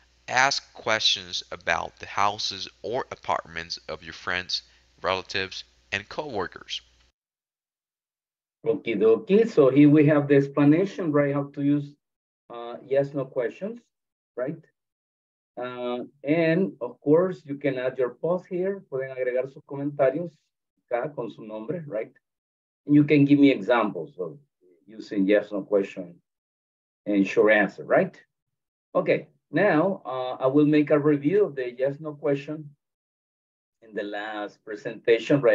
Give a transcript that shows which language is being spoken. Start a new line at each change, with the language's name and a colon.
English: Ask questions about the houses or apartments of your friends, relatives, and co-workers. Okie dokie. So here we have the explanation, right? How to use yes, no questions, right? And of course, you can add your post here.
Spanish: Pueden agregar sus comentarios acá con su nombre, right?
English: And you can give me examples of using yes, no question and short answer, right? Okay. Now, I will make a review of the yes, no question in the last presentation, right?